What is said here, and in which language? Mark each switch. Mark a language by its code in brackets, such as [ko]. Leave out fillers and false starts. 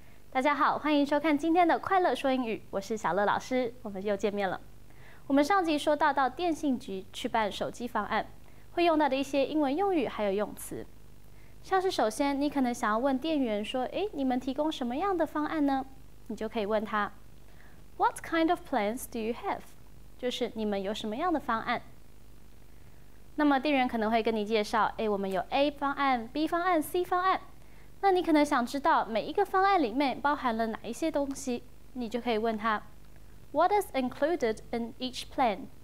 [zh] 大家好，欢迎收看今天的快乐说英语，我是小乐老师，我们又见面了。我们上集说到电信局去办手机方案，会用到的一些英文用语还有用词，像是首先你可能想要问店员说，你们提供什么样的方案呢？你就可以问他 [en] What kind of plans do you have? [zh] 就是你们有什么样的方案。那么店员可能会跟你介绍，我们有 A 方案、B 方案、C 方案。那你可能想知道每一个方案里面包含了哪一些东西，你就可以问他 [en] What is included in each plan?